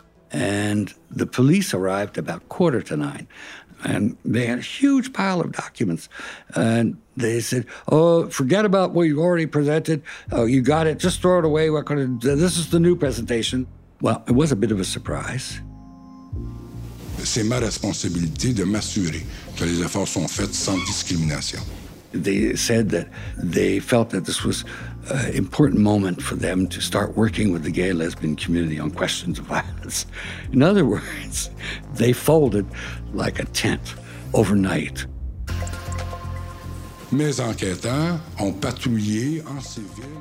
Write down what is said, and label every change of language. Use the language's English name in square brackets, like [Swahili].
[English] And the police arrived about 8:45, and they had a huge pile of documents. And they said, oh, forget about what you already presented. Oh, you got it. Just throw it away. We're going to, this is the new presentation. Well, it was a bit of a surprise. [French] C'est ma responsabilité de m'assurer que les efforts sont faits sans discrimination. [English] They said that they felt that this was an important moment for them to start working with the gay and lesbian community on questions of violence. In other words, they folded like a tent overnight. [French] Mes enquêteurs ont patrouillé en civil.